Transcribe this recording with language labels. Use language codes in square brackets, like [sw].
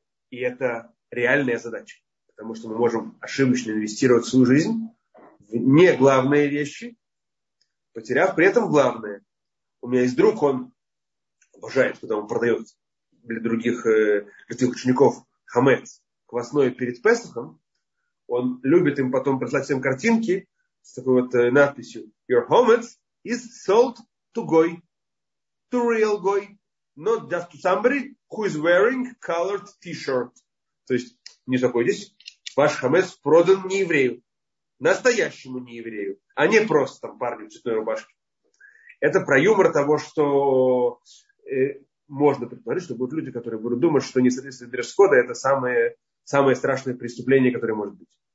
[ru] И это реальная задача. Потому что мы можем ошибочно инвестировать свою жизнь в неглавные вещи, потеряв при этом главное. У меня есть друг, он обожает, когда он продает для других, для своих учеников хамец, квасное перед Песохом. Он любит им потом прислать всем картинки с такой вот надписью: [en] Your hametz is sold to goy, to real goy, not just to somebody who is wearing colored t-shirt. [ru] То есть, не успокойтесь, ваш хамец продан не еврею, настоящему не еврею, а не просто там парню в цветной рубашке. Это про юмор того, что можно предположить, что будут люди, которые будут думать, что несоответствие дресс-кода — это самое страшное преступление, которое может быть.